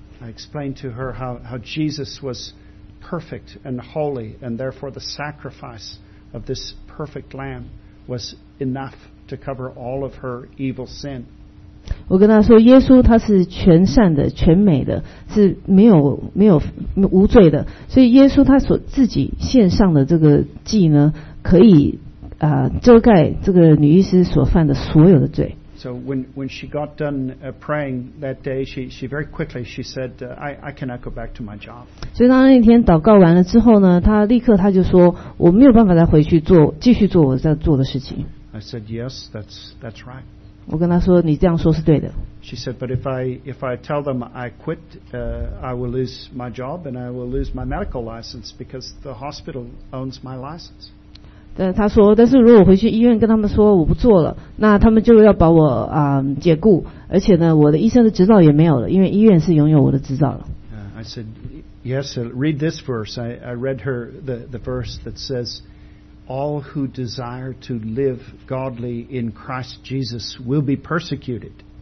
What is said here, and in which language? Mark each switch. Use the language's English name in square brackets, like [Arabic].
[English] I explained to her how Jesus was perfect and holy, and therefore the sacrifice of this perfect lamb was enough to cover all of her evil sin. [Chinese] 我跟他说耶稣他是全善的全美的是没有无罪的所以耶稣他所自己献上的这个祭呢可以 遮盖这个女医师所犯的所有的罪。 [English] So when she got done praying that day, she very quickly she said, I cannot go back to my job. [Chinese] 所以当那天祷告完了之后呢, 她立刻她就说, 我没有办法再回去做继续做我在做的事情。 [English] I said, yes, that's right. [Chinese] 我跟她说, 你这样说是对的。 [English] She said, but if I tell them I quit, I will lose my job and I will lose my medical license because the hospital owns my license. [Chinese] 但他说但是如果回去医院跟他们说我不做了那他们就要把我解雇而且呢我的医生的执照也没有了因为医院是拥有我的执照了。 [English] I said, yes, read this verse. I read her the verse that says, all who desire to live godly in Christ Jesus will be persecuted.